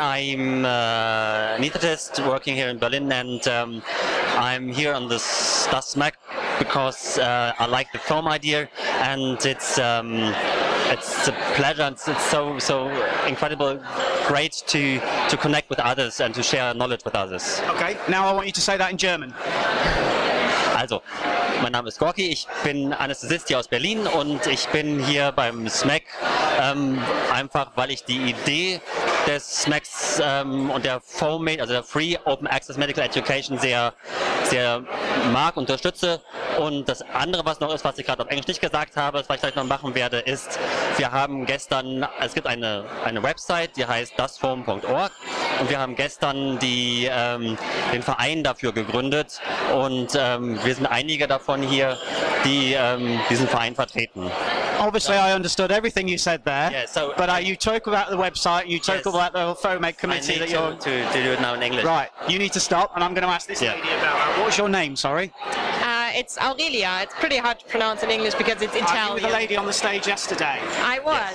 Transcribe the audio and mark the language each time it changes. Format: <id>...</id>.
<en>I'm an anaesthetist working here in Berlin, and I'm here on this DasSMACC because I like the foam idea, and it's a pleasure, and it's so incredible, great to connect with others and to share knowledge with others. Okay. Now I want you to say that in German.</en> <de>Also, mein Name ist Gorky, ich bin Anästhesist hier aus Berlin und ich bin hier beim SMACC, einfach weil ich die Idee des SMACCs und der FOMATE, also der Free Open Access Medical Education, sehr mag, unterstütze. Und das andere, was noch ist, was ich gerade auf Englisch nicht gesagt habe, was ich vielleicht noch machen werde, ist, wir haben gestern, es gibt eine Website, die heißt dasform.org, und wir haben gestern den Verein dafür gegründet, und wir sind einige davon hier, die diesen Verein vertreten.</de> <en>Obviously, I understood everything you said there. Yeah, so, but you talk about the website, you talk yes, about the FOMATE committee that you're... I need to do it now in English. Right, you need to stop, and I'm going to ask this lady about what's your name, sorry? It's Aurelia. It's pretty hard to pronounce in English because it's Italian. I was with a lady on the stage yesterday. I was, yes.</en>